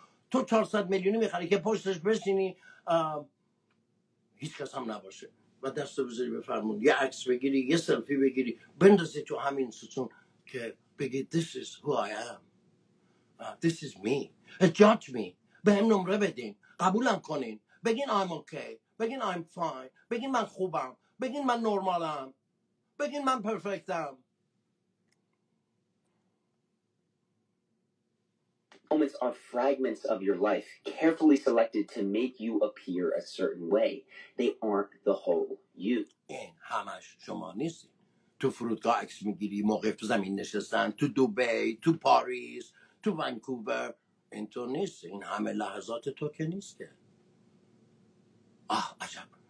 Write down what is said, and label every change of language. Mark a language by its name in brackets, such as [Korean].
[Persian] تو 400 میلیونی میخری که پشتش بشینی هیچ کس هم نباشه و دست رو بذاری بفرمون یه عکس بگیری، یه سلفی بگیری بندازی تو همین ستون که بگی [English] this is who I am. This is me. Judge me. [Persian] به هم نمره بدین، قبولم کنین، بگین [English] I'm okay، [Persian] بگین [English] I'm fine، [Persian] بگین من خوبم، بگین من نرمالم، بگین من پرفکتم. [English] Moments are fragments of your life, carefully selected to make you appear a certain way. They aren't the whole you. [Persian] این همش شما نیستی. تو فرودگاه عکس میگیری، موقف زمین نشستن، تو دبی، تو پاریس، تو ونکوور. این تو نیستی. این همه لحظات تو که نیسته. آه عجب.